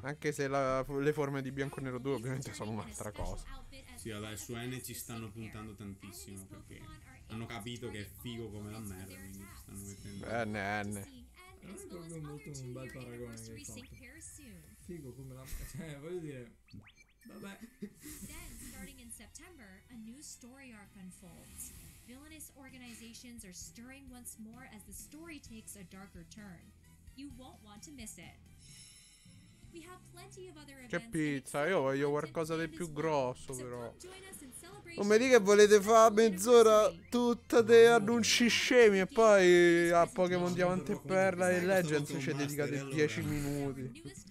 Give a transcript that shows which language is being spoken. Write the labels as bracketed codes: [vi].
[it] Anche se le forme di bianco e nero 2 ovviamente sono un'altra cosa. Sì, vabbè, su N ci stanno puntando tantissimo perché hanno capito che è figo come la merda, quindi ci stanno mettendo. N. Non è proprio molto un bel paragone che hai fatto. Figo come la merda, cioè, voglio dire... vabbè. [en] Then, starting in September, a new story arc unfolds. Villainous organizations are stirring once more as the story takes a darker turn. You won't want to miss it. We have plenty of other events. [it] Che pizza, io voglio qualcosa di più grosso, però. Non mi dica che volete fare mezz'ora tutta dei annunci scemi e poi a Pokémon Diamante e Perla e Legends ci dedicate 10 minuti.